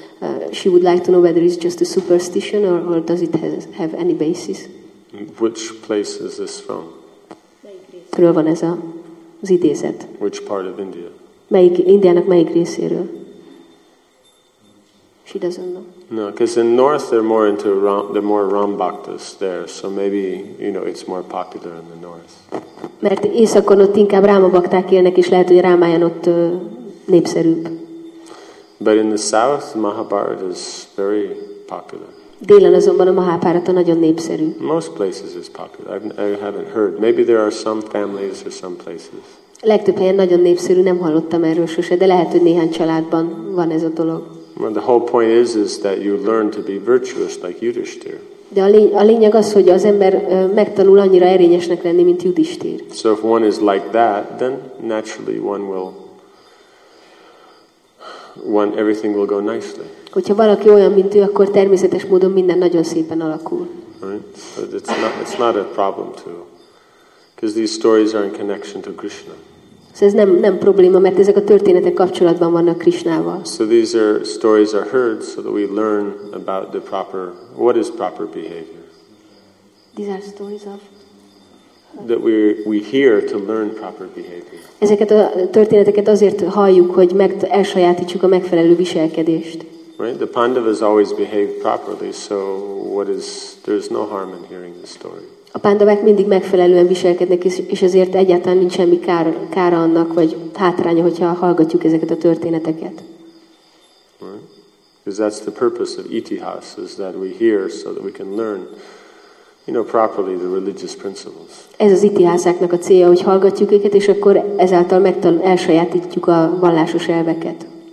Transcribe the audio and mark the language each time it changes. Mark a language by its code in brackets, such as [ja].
[en] And she would like to know whether it's just a superstition or does it have any basis. Which place is this from? [hu] Melyik részéről van ez az idézet? [en] Which part of India? [hu] Melyik, Indiának melyik részéről? [en] She doesn't know. No, because in north they're more into they're more Rambhaktas there, so maybe, you know, it's more popular in the north. [hu] Mert északon ott inkább Rámabakták élnek, és lehet, hogy Rámáján ott népszerűbb. [en] But in the south, Mahabharata is very popular. [hu] Délen azonban a Mahabharata nagyon népszerű. [en] Most places is popular. I haven't heard. Maybe there are some families or some places. [hu] Legtöbb helyen nagyon népszerű, nem hallottam erről sose, de lehet, hogy néhány családban van ez a dolog. [en] Well, the whole point is that you learn to be virtuous like Yudhishthir. [hu] De a lényeg az, hogy az ember megtanul annyira erényesnek lenni, mint Yudhishthir. [en] So if one is like that, then naturally one will when everything will go nicely. [hu] Hogyha valaki olyan, mint ő, akkor természetes módon minden nagyon szépen alakul. [en] Right? So it's not a problem too. Because these stories are in connection to Krishna. [hu] Szóval ez nem probléma, mert ezek a történetek kapcsolatban vannak Krisnával. [en] So these are stories are heard so that we learn about the proper, what is proper behavior. These are stories of that we hear to learn proper behavior. [hu] Ezeket a történeteket azért halljuk, hogy elsajátítsuk a megfelelő viselkedést. [en] Right? The Pandavas always behaved properly, so what is there's no harm in hearing the story. [hu] A Pandavák mindig megfelelően viselkednek, és ezért egyáltalán nincs semmi kára annak, vagy hátránya, hogyha hallgatjuk ezeket a történeteket. [en] Because that's the purpose of Itihas, is that we hear so that we can learn, you know, properly the religious principles. [hu] Ez az Itihászáknak a célja, hogy hallgatjuk őket, és akkor ezáltal elsajátítjuk a vallásos elveket.